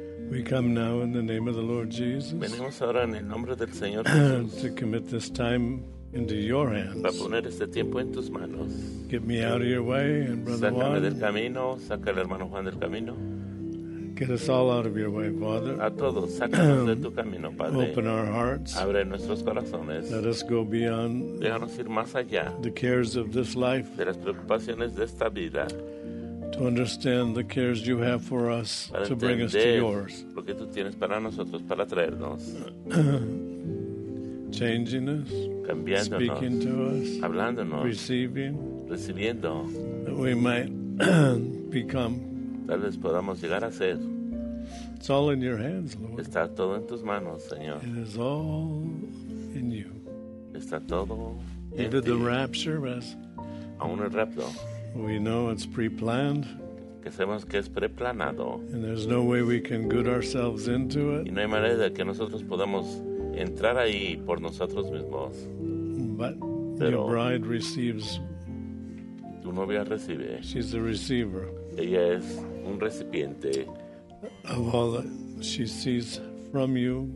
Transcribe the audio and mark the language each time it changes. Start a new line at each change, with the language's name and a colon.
English: we come now in the name of the Lord Jesus.
Spanish: Venimos ahora en el nombre del Señor Jesús.
English: To commit this time into your hands.
Spanish: Para poner este tiempo en tus manos.
English: Get me out of your way, and brother
Spanish: Sácame Juan. Sácame del camino, saca al hermano Juan del camino.
English: Get us all out of your way, Father.
Spanish: A todos, sácanos de tu camino, Padre.
English: Open our hearts.
Spanish: Abre nuestros corazones.
English: Let us go beyond.
Spanish: Déjanos ir más allá.
English: The cares of this life.
Spanish: De las preocupaciones de esta vida.
English: To understand the cares you have for us, to bring us to yours.
Spanish: Lo que tú tienes para nosotros, para traernos.
English: Changing us,
Spanish: cambiándonos,
English: speaking to us,
Spanish: hablándonos,
English: receiving,
Spanish: recibiendo,
English: that we might become.
Spanish: Tal vez podamos llegar a ser.
English: It's all in your hands, Lord.
Spanish: Está todo en tus manos, Señor.
English: It is all in you.
Spanish: Está todo en ti.
English: Even the rapture, as
Spanish: aún el rapto.
English: We know it's pre-planned.
Spanish: Que sabemos que es preplanado.
English: And there's no way we can good ourselves into it.
Spanish: Y no hay manera de que nosotros podamos entrar ahí por nosotros mismos.
English: But your bride receives.
Spanish: Tu novia recibe.
English: She's a receiver.
Spanish: Ella es un recipiente.
English: Of all that she sees from you.